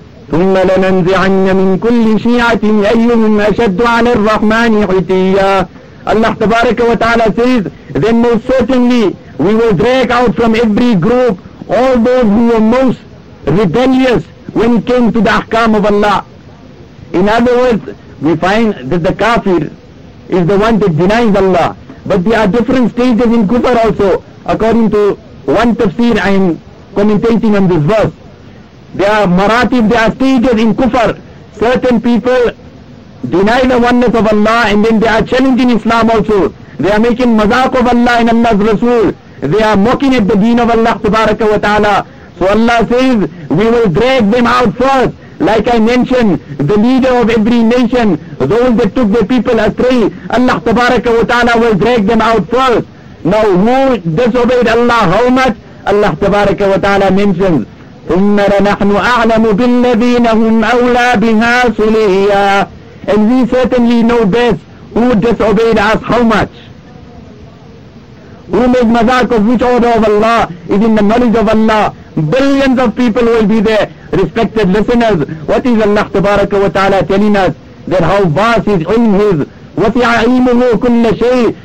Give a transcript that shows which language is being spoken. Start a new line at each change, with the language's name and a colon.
Arabic: ثم لننزعن من كل شيعة أيهم أشد على الرحمن عتيا.
English: Allah تبارك وتعالى says, then most certainly we will drag out from every group all those who were most rebellious when it came to the ahkam of Allah. In other words, we find that the kafir is the one that denies Allah. But there are different stages in kufr also, according to one tafsir I am commentating on this verse. There are maratib, there are stages in kufr. Certain people deny the oneness of Allah and then they are challenging Islam also. They are making mazak of Allah and Allah's Rasul. They are mocking at the deen of Allah subhanahu wa ta'ala. So Allah says, we will drag them out first. Like I mentioned, the leader of every nation, those that took the people astray, Allah subhanahu wa ta'ala will drag them out first. Now who disobeyed Allah, how much?
Arabic: Allah subhanahu wa ta'ala mentions, ثُمَّ لَنَحْنُ أَعْلَمُ بِالَّذِينَ هُمْ أَوْلَى بِهَا صُلِيًّا.
English: And we certainly know best who disobeyed us, how much. Who made mazak of which order of Allah is in the knowledge of Allah. Billions of people will be there. Respected listeners, what is Allah تبارك وتعالى telling us? That how vast is ilm his.
Arabic: وَفِعَ عِلْمُهُ كُلَّ شَيْءٍ.